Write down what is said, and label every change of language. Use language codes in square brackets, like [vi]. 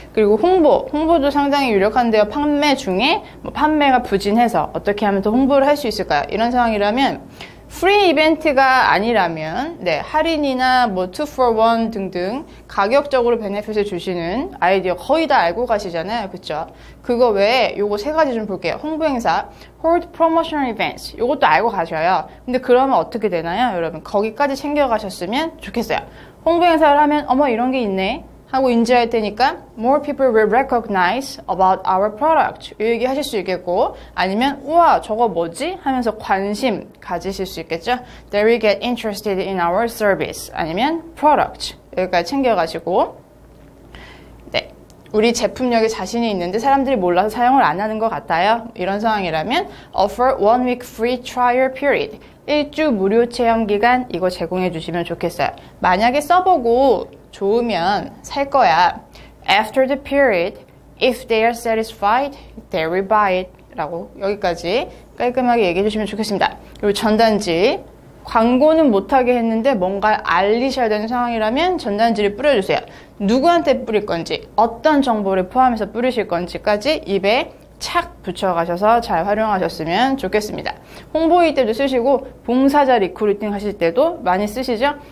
[ko] 그리고 홍보도 상당히 유력한데요. 판매 중에 뭐 판매가 부진해서 어떻게 하면 더 홍보를 할수 있을까요? 이런 상황이라면 프리 이벤트가 아니라면, 네, 할인이나 뭐, 투포원 등등, 가격적으로 베네핏을 주시는 아이디어 거의 다 알고 가시잖아요. 그쵸? 그거 외에 요거 세 가지 좀 볼게요. 홍보 행사, [en] hold promotional events. [ko] 요것도 알고 가셔야. 근데 그러면 어떻게 되나요? 여러분, 거기까지 챙겨 가셨으면 좋겠어요. 홍보 행사를 하면, 어머, 이런 게 있네. 하고 인지할 테니까, [en] more people will recognize about our product. [ko] 이 얘기 하실 수 있겠고, 아니면, 우와, 저거 뭐지? 하면서 관심 가지실 수 있겠죠? [en] They will get interested in our service. [ko] 아니면, product. 여기까지 챙겨가시고, 네. 우리 제품력에 자신이 있는데 사람들이 몰라서 사용을 안 하는 것 같아요. 이런 상황이라면, [en] offer 1 week free trial period. [ko] 1주 무료 체험 기간, 이거 제공해 주시면 좋겠어요. 만약에 써보고, 좋으면 살 거야. [en] After the period, if they are satisfied, they will buy it. [ko] 라고 여기까지 깔끔하게 얘기해 주시면 좋겠습니다. 그리고 전단지. 광고는 못하게 했는데 뭔가 알리셔야 되는 상황이라면 전단지를 뿌려주세요. 누구한테 뿌릴 건지, 어떤 정보를 포함해서 뿌리실 건지까지 입에 착 붙여가셔서 잘 활용하셨으면 좋겠습니다. 홍보일 때도 쓰시고 봉사자 리크루팅 하실 때도 많이 쓰시죠?